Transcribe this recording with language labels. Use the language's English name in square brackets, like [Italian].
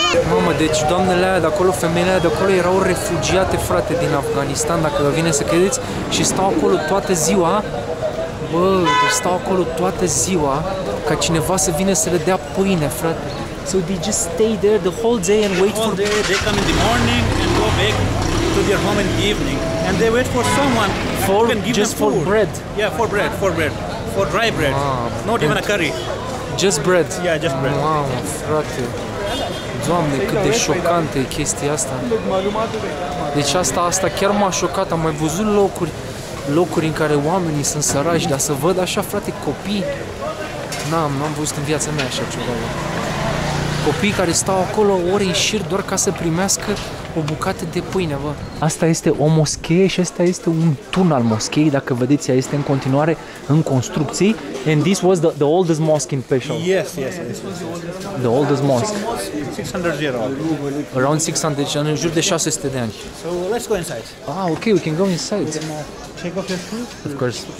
[Romanian] Mamă, deci doamnele aia de acolo, femeile aia de acolo erau refugiate, frate, din Afganistan, dacă vă vine să credeți, și stau acolo toată ziua. Bă, stau acolo toată ziua ca cineva să vină să le dea pâine, frate. [English] So they just stay there the whole day and wait all for... day, they come in the morning and go back to their home in the evening. And they wait for someone for, who can give just them food. For bread? Yeah, for bread. For dry bread. Not even a curry. Just bread? Yeah, just bread. [Romanian] Wow, frate. Doamne, cât de șocantă e chestia asta. Deci asta chiar m-a șocat. Am mai văzut locuri în care oamenii sunt săraci, dar să văd așa, frate, copii... N-am văzut în viața mea așa ceva. Copii care stau acolo ore în șir doar ca să primească o bucată de pâine, bă. Asta este o moschee și asta este un tun al moscheei, dacă vedeți, ea este în continuare în construcții. [English] And this was the oldest mosque in Peshawar. Yes, yes, this was the oldest mosque. 600 years old. Around 600, [Romanian] deci în jur de 600 de ani. [English] So, let's go inside. Ah, okay, we can go inside. Check off your food. Of course.